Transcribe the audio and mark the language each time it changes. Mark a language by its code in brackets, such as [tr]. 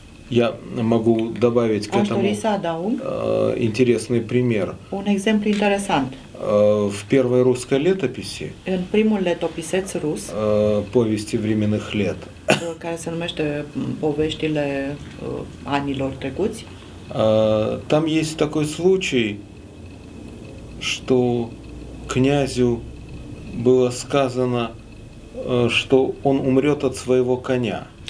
[ru] Я могу добавить к этому интересный пример. [ro] Un exemplu interesant. [ru] В первой русской летописи. [ro] În primul letopiseț rus. [ru] Повести временных лет. [ro] Care se numește Poveștile anilor trecuți. [ru] Там есть такой случай, что князю было сказано, что он умрет от своего коня.